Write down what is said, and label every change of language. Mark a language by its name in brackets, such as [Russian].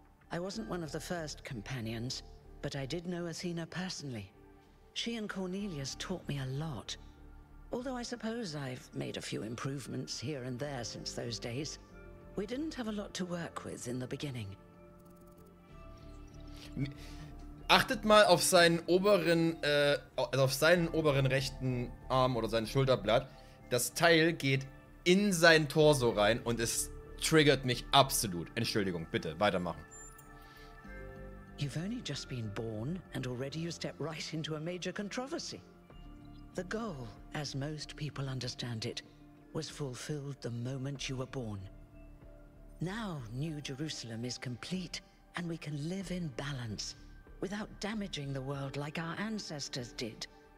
[English] I wasn't one of the first companions, but I did know Athena personally. She and Cornelius taught me a lot. Although I suppose I've made a few improvements here and there since those days. We didn't have a lot to work with in the beginning. [German] Achtet mal auf seinen oberen, also auf seinen oberen rechten Arm oder sein Schulterblatt. Das Teil geht in sein Torso rein und es triggert mich absolut. Entschuldigung, bitte, weitermachen. [English] You've only just been born, and already you step right into a major controversy. The goal, as most people understand it, was fulfilled the moment you were born. Now New Jerusalem is complete, and we can live in balance, without damaging the world like our ancestors did.